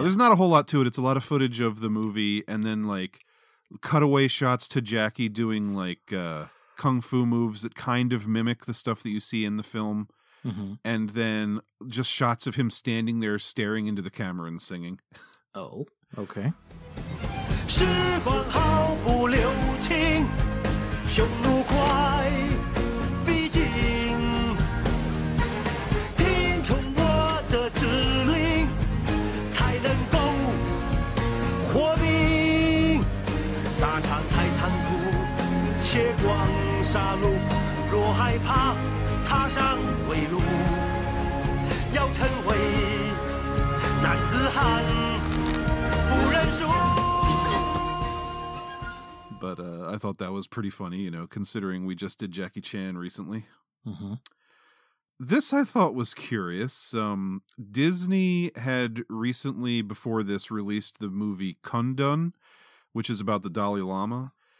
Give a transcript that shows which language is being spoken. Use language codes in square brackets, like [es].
[en] There's not a whole lot to it. It's a lot of footage of the movie and then like cutaway shots to Jackie doing like kung fu moves that kind of mimic the stuff that you see in the film. Mm-hmm. And then just shots of him standing there staring into the camera and singing. Oh, okay. [zh] 时光毫不留情, 凶怒快逼近, 听从我的指令, 才能够活命, 沙场太残酷, 血光杀戮, 若害怕, 踏上未路, 要成为男子汉, 不认输。 [en] But I thought that was pretty funny, you know, considering we just did Jackie Chan recently. This I thought was curious. Disney had recently, before this, released the movie Kundun, which is about the Dalai Lama.